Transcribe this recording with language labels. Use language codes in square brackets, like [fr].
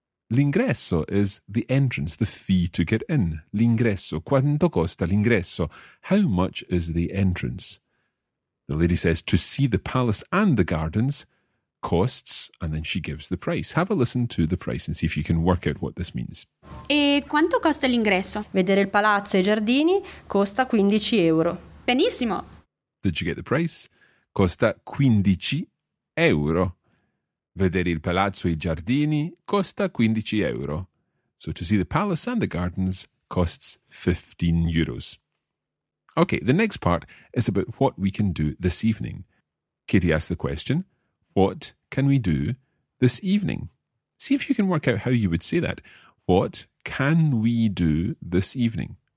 [en] L'ingresso is the entrance, the fee to get in. L'ingresso. [it] Quanto costa l'ingresso? [en] How much is the entrance? The lady says, to see the palace and the gardens costs, and then she gives the price. Have a listen to the price and see if you can work out what this means. [it] E quanto costa l'ingresso? Vedere il palazzo e I giardini costa 15 euro. Benissimo. [en] Did you get the price? [it] Costa 15 euro. Vedere il palazzo e I giardini costa 15 euro. [en] So to see the palace and the gardens costs 15 euros. Okay, the next part is about what we can do this evening. Katie asks the question, what can we do this evening? See if you can work out how you would say that. What can we do this evening?